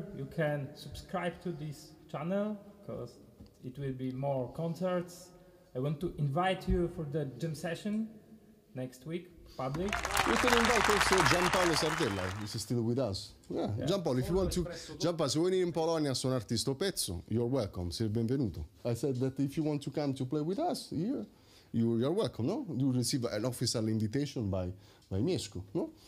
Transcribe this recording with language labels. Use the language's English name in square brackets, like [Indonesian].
[English] Can subscribe to this channel because it will be more concerts. I want to invite you for the jam session next week, public. We can invite also Gianpaolo Sardella, who's still with us. Yeah, yeah. Gianpaolo, if you want to... [Italian] Gianpaolo, se vuoi venire in Polonia a suonare questo pezzo, [English] you're welcome, [Italian] sei benvenuto. [English] I said that if you want to come to play with us here, you're welcome, no? You receive an official invitation by Mieszko, no?